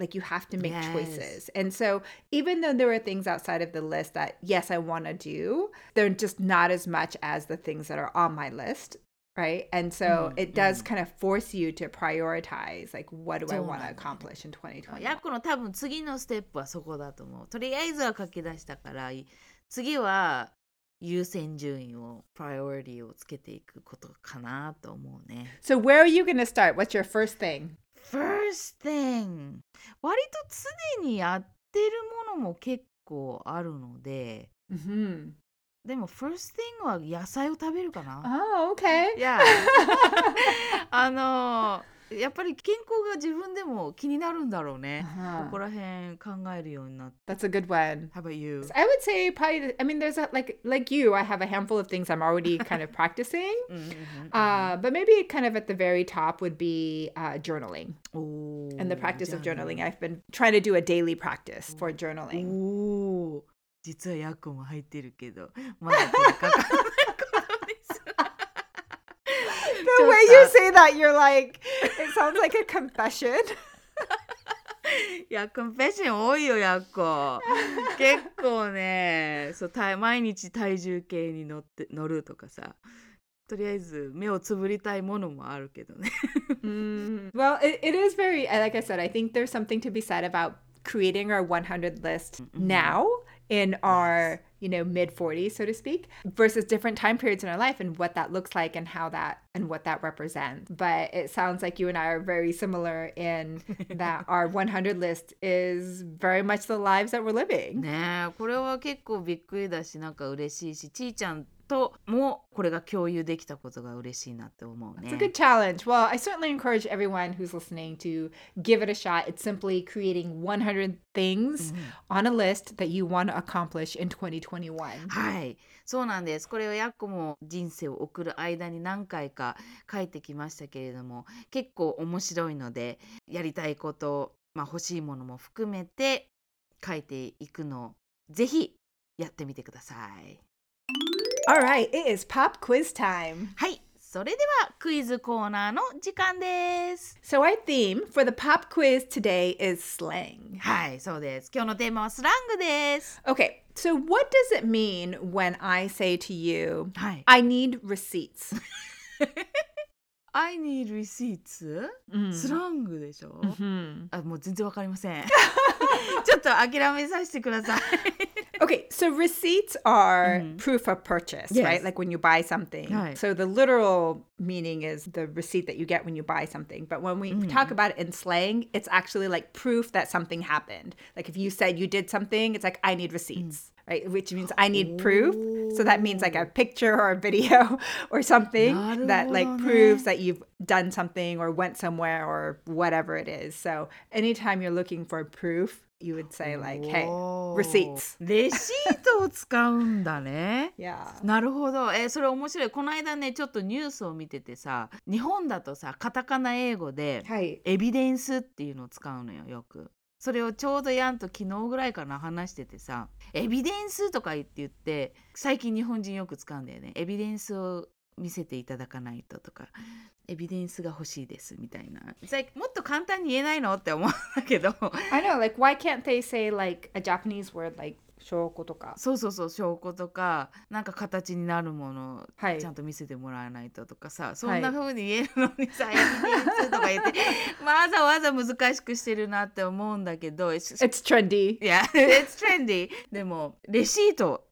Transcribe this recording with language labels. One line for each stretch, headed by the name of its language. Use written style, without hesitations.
English: Like you have to make choices. And so even though there are things outside of the list that, yes, I want to do, they're just not as much as the things that are on my list, right? And so it does kind of force you to prioritize, like, what do I want to accomplish in 2020?
Japanese: ヤコの多分次のステップはそこだと思う。とりあえずは書き出したから、次は優先順位を、priority をつけていくことかなと思うね。
English: So where are you going to start? What's your first thing? First thing!
Japanese: 割と常にやってるものも結構あるので、 mm-hmm. でも
English: first thing
Japanese: は野菜を食べるかな。
English: Oh, okay. Yeah.
Japanese: やっぱり健康が自分でも気になるんだろうね。 Uh-huh. ここら辺考えるようになって。
English: That's a good one. How about you? So I would say probably, I mean, there's a, like you, I have a handful of things I'm already kind of practicing. but maybe kind of at the very top would be journaling. Ooh, and the practice of journaling. I've been trying to do a daily practice for journaling.
Japanese: Ooh, 実はヤコも入ってるけど、まだこれかかんない。
English: The way you say that, you're like, it sounds like a confession.
Japanese: Yeah, confession 多いよ、やっこ。結構ね、そう、毎日体重計に乗るとかさ。とりあえず目をつぶりたいものもあるけどね。 mm.
English: Well, it is very, like I said, I think there's something to be said about creating our 100 list now in our, you know, mid-40s, so to speak, versus different time periods in our life and what that looks like and how that and what that represents. But it sounds like you and I are very similar in that our 100 list is very much the lives that we're living.
Japanese: ねえ、これは結構びっくりだし、なんか嬉しいし、ちーちゃんともこれが共有できたことが嬉しいなって思うね。
English: It's a good challenge. Well, I certainly encourage everyone who's listening to give it a shot. It's simply creating 100 things on a list that you want to accomplish in 2021.
Japanese: はい、そうなんです。これをやっこも人生を送る間に何回か書いてきましたけれども、結構面白いので、やりたいこと、まあ、欲しいものも含めて書いていくのをぜひやってみてください。
English: All right, it is pop quiz time.
Japanese: はい、それではクイズコーナーの時間です。
English: So our theme for the pop quiz today is slang.
Japanese: はい、そうです。今日のテーマはスラングです。
English: Okay, so what does it mean when I say to you,
Japanese: はい、
English: I need receipts? I need receipts?
Japanese: スラングでしょ、 mm-hmm. あ、もう全然わかりません。ちょっと諦めさせてください。
English: Okay, so receipts are proof of purchase, yes. right? Like when you buy something. Right. So the literal meaning is the receipt that you get when you buy something. But when we talk about it in slang, it's actually like proof that something happened. Like if you said you did something, it's like, I need receipts, right? Which means I need proof. So that means like a picture or a video or something that like proves that you've done something or went somewhere or whatever it is. So anytime you're looking for proof,You would say like, hey, receipts.
Japanese: レシートを使うんだね。
English: yeah.
Japanese: なるほど。それ面白い。この間ね、ちょっとニュースを見ててさ、日本だとさ、カタカナ英語で、はい、エビデンスっていうのを使うのよ、よく。それをちょうどやんと昨日ぐらいかな話しててさ、エビデンスとか言って言って、最近日本人よく使うんだよね。エビデンスを見せていただかないととか。 Evidence が欲しいですみたいな。
English: It's like,
Japanese: もっと簡単に言えないのって思うんだけど。
English: I know, like, why can't they say, like, a Japanese word, like,
Japanese: 証拠とか。そうそうそう、証拠とか、なんか形になるものを、はい、ちゃんと見せてもらわないととかさ、そんな風に言えるのにさ、Evidence とか言って、わざわざ難しくしてるなって思うんだけど。
English: It's trendy. Yeah, it's trendy.
Japanese: でも、レシート、